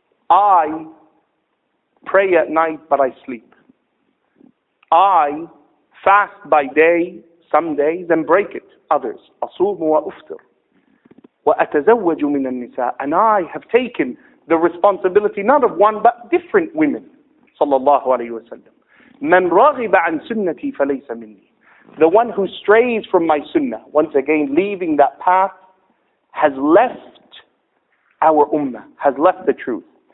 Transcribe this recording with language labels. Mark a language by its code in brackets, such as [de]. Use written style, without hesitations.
[en] I pray at night, but I sleep. I fast by day, some days, and break it, others. [ar] أصوم وأفطر وأتزوج من النساء. [en] And I have taken the responsibility, not of one, but different women. [ar] صلى الله عليه وسلم. من راغب عن سنتي فليس مني. [en] The one who strays from my sunnah, once again leaving that path, has left our ummah, has left the truth.